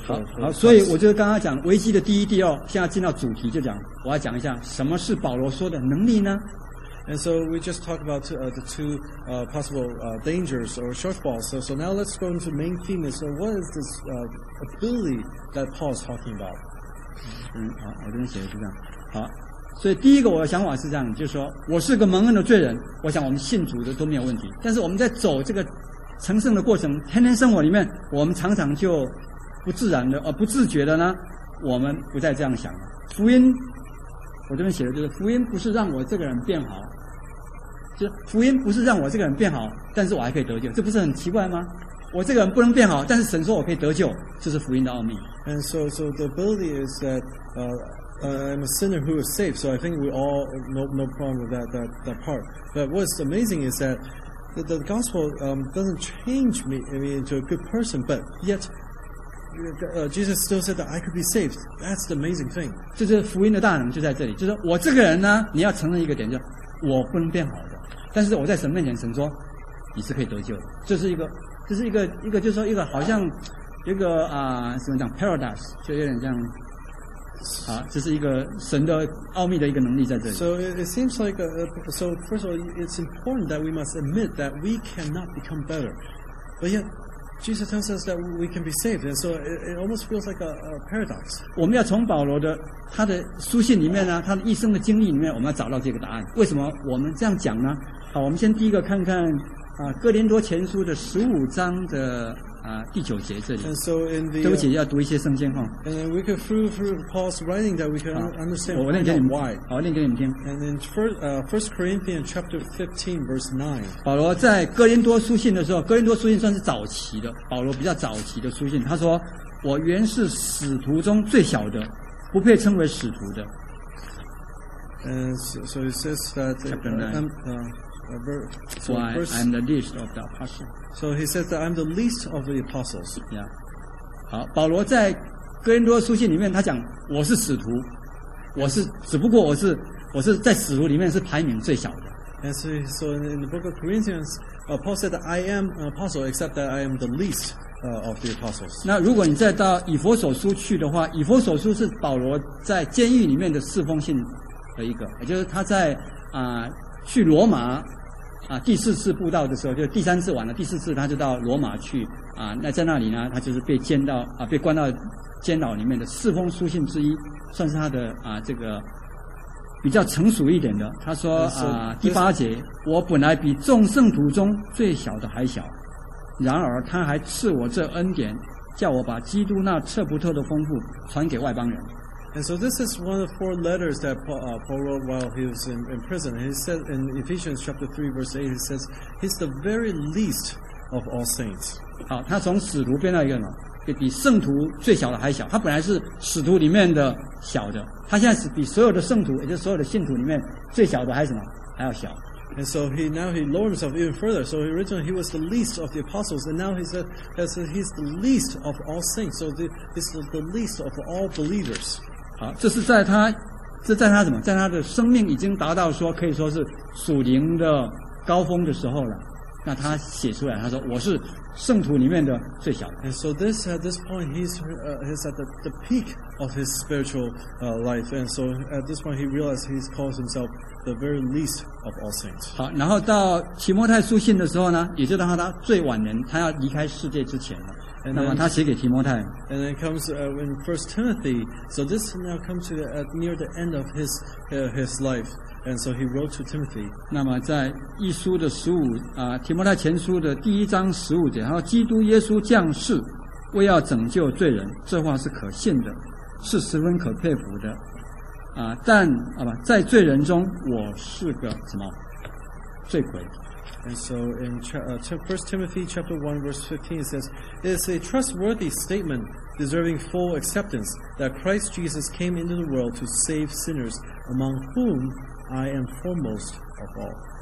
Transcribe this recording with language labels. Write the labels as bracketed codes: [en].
[zh] 好，所以我就刚刚讲危机的第一、第二，现在进到主题就讲，我要讲一下什么是保罗说的能力呢？ [en] And so we just talked about the two possible dangers or shortfalls. So now let's go into the main theme. So what is this ability that Paul is talking about? [zh] 好，我这边写的是这样。好，所以第一个我的想法是这样，就是说我是个蒙恩的罪人，我想我们信主的都没有问题，但是我们在走这个成圣的过程，天天生活里面，我们常常就不自然的不自觉的呢，我们不再这样想了。福音，我这边写的就是福音不是让我这个人变好，就是福音不是让我这个人变好，但是我还可以得救，这不是很奇怪吗？我这个人不能变好，但是神说我可以得救，这是福音的奥秘。 [en] And so the ability is that I'm a sinner who is saved. So I think we all no problem with that part. But what's amazing is that the gospel doesn't change me into a good person. But yet Jesus still said that I could be saved. That's the amazing thing. [zh] 就是福音的大能就在这里。就是我这个人呢，你要承认一个点，就是我不能变好的。但是我在神面前，神说你是可以得救的。这是一个就是说一个好像。这个怎么讲 ？Paradise 就有点这样，这是一个神的奥秘的一个能力在这里。 [en] So it seems like so first of all, it's important that we must admit that we cannot become better, but yet Jesus tells us that we can be saved, and so it almost feels like a paradox. [zh] 我们要从保罗的他的书信里面呢，他的一生的经历里面，我们要找到这个答案。为什么我们这样讲呢？好，我们先第一个看看哥林多前书的15章的。第九节这里。 [en] And so in the, [zh] 对不起，要读一些圣经哈。 [en] And we can through Paul's writing that we can understand why. [zh] 我念给你们。好，念给你们听。 [en] And in First Corinthians chapter 15 verse 9. [zh] 保罗在哥林多书信的时候，哥林多书信算是早期的，保罗比较早期的书信。他说：“我原是使徒中最小的，不配称为使徒的。” [en] And so it says that chapter 9. I'm the least of the apostles. So he says that I'm the least of the apostles. Yeah. [zh] 好，保罗在哥林多书信里面，他讲我是使徒，我是只不过我是在使徒里面是排名最小的。 [en] And so in the book of Corinthians, Paul said that I am an apostle, except that I am the least of the apostles. [zh] 那如果你再到以弗所书去的话，以弗所书是保罗在监狱里面的侍奉信的一个，也就是他在去罗马第四次布道的时候，就第三次完了，第四次他就到罗马去那在那里呢，他就是被监到被关到监牢里面的四封书信之一，算是他的这个比较成熟一点的。他说第八节，我本来比众圣徒中最小的还小，然而他还赐我这恩典，叫我把基督那测不透的丰富传给外邦人。 [en] And so this is one of the four letters that Paul wrote while he was in prison. And he said in Ephesians chapter 3 verse 8, he says, he's the very least of all saints. [zh] 好，他从使徒变到一个呢，比圣徒最小的还小。他本来是使徒里面的小的，他现在是比所有的圣徒，也就是所有的信徒里面最小的还是什么，还要小。 [en] And so he lowered himself even further. So originally he was the least of the apostles, and now he said he's the least of all saints. So he's the least of all believers. [zh] 好，这是在他，这在他什么？在他的生命已经达到说可以说是属灵的高峰的时候了。那他写出来，他说我是圣徒里面的最小的。 [en] And so this point he's at the peak of his spiritual life. And so at this point he realized he calls himself the very least of all saints. [zh] 好，然后到提摩太书信的时候呢，也就到他最晚年，他要离开世界之前了。 [en] And then, [zh] 那么他写给提摩太。 [en] And then comes in 1 Timothy. So this now comes to near the end of his life. And so he wrote to Timothy. [zh] 那么在一书的十五提摩太前书的第一章十五节，他说：“基督耶稣降世，为要拯救罪人。” 这话是可信的，是十分可佩服的。但在罪人中，我是个什么罪魁。 [en] And so in 1 Timothy chapter 1 verse 15 it says, it is a trustworthy statement deserving full acceptance that Christ Jesus came into the world to save sinners, among whom I am foremost of all.